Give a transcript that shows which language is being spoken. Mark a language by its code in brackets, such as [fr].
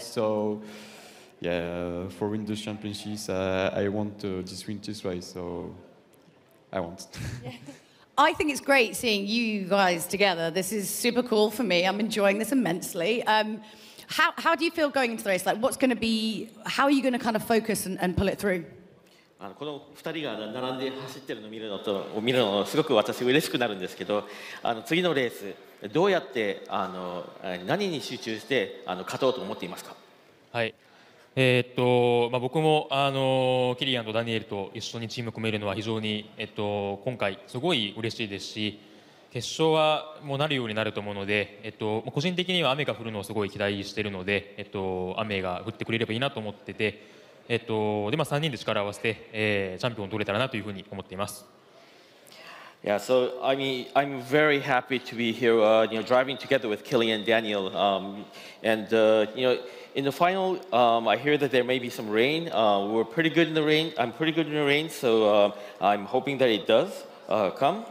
[en] So yeah, for win the championships, I want this winter's race. So I want. Yeah. I think it's great seeing you guys together. This is super cool for me. I'm enjoying this immensely. How do you feel going into the race? Like, what's going to be, how are you going to kind of focus and pull it through? [ja] この2人が並んで走ってるのを見るのと、見るのすごく私嬉しくなるんですけど、次のレース、どうやって何に集中して勝とうと思っていますか？はい。まあ、僕もキリアンとダニエルと一緒にチームを組めるのは非常に、今回すごい嬉しいですし、決勝はもうなるようになると思うので、個人的には雨が降るのをすごい期待しているので、雨が降ってくれればいいなと思ってて、でまあ、3人で力を合わせて、チャンピオンを取れたらなというふうに思っています。 [en] Yeah, so I mean, I'm very happy to be here, you know, driving together with Killian Daniel, and you know,In the final, I hear that there may be some rain. We're pretty good in the rain. I'm pretty good in the rain, so I'm hoping that it does come.